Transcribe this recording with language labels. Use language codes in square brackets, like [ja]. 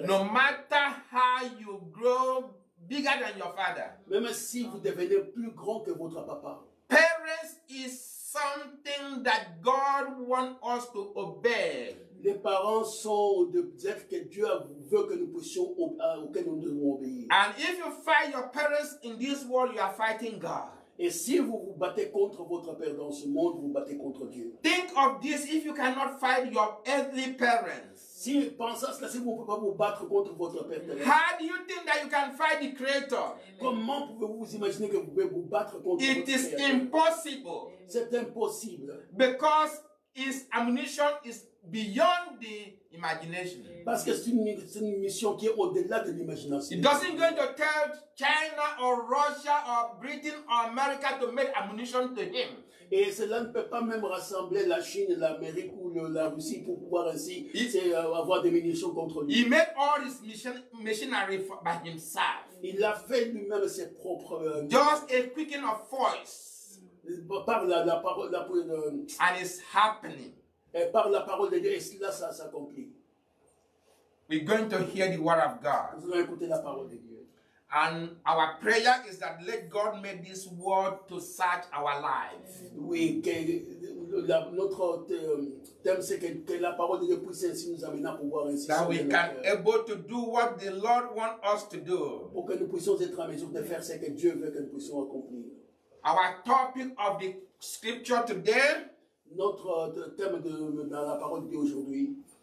[en] No matter how you grow bigger than your father. [fr] Même si vous devenez plus grand que votre papa. [en] Parents is something that God wants us to obey. [fr] Les parents sont des êtres que Dieu veut que nous puissions auxquels nous devons obéir. [en] And if you fight your parents in this world, you are fighting God. [fr] Et si vous vous battez contre votre père dans ce monde, vous battez contre Dieu. [en] Think of this if you cannot fight your earthly parents. [fr] Si pensez à cela, si vous ne pouvez pas vous battre contre votre père terrestre. [en] How do you think that you can fight the Creator? [fr] Comment pouvez-vous imaginer que vous pouvez vous battre contre votre père? [en] It is impossible. [fr] C'est impossible. [en] Because his ammunition is beyond the imagination. [fr] Parce que c'est une mission qui est au-delà de l'imagination. [en] It doesn't go to tell China or Russia or Britain or America to make ammunition to him. [fr] Et cela ne peut pas même rassembler la Chine, l'Amérique ou la Russie pour pouvoir ainsi avoir des munitions contre lui. [en] He made all his machinery by himself. [fr] Il a fait lui-même ses propres. [en] Just a quicken of voice. [fr] Par la parole. [en] And it's happening. [fr] Et par la parole de Dieu, et cela s'accomplit. [en] We're going to hear the word of God. [fr] Nous allons écouter la parole de Dieu. [en] And our prayer is that let God make this word to search our lives. [fr] Oui, notre thème c'est que la parole de Dieu puisse ainsi nous amener à pouvoir ainsi. [en] That we can able to do what the Lord wants us to do. [fr] Pour que nous puissions être en mesure de faire ce que Dieu veut que nous puissions accomplir. [en] Our topic of the scripture today. [fr] Notre thème dans la parole de Dieu aujourd'hui.